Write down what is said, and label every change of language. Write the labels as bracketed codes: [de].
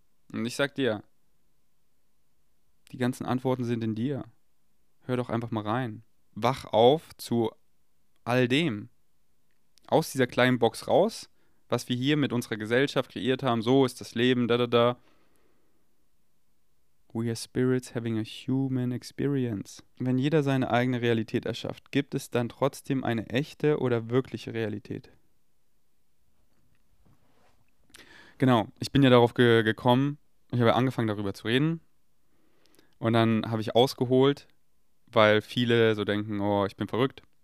[de] Und ich sag dir, die ganzen Antworten sind in dir. Hör doch einfach mal rein. Wach auf zu all dem. Aus dieser kleinen Box raus, was wir hier mit unserer Gesellschaft kreiert haben. So ist das Leben, da, da, da. [en] We are spirits having a human experience. [de] Wenn jeder seine eigene Realität erschafft, gibt es dann trotzdem eine echte oder wirkliche Realität? Genau, ich bin ja darauf gekommen, ich habe angefangen darüber zu reden und dann habe ich ausgeholt, weil viele so denken, oh, ich bin verrückt.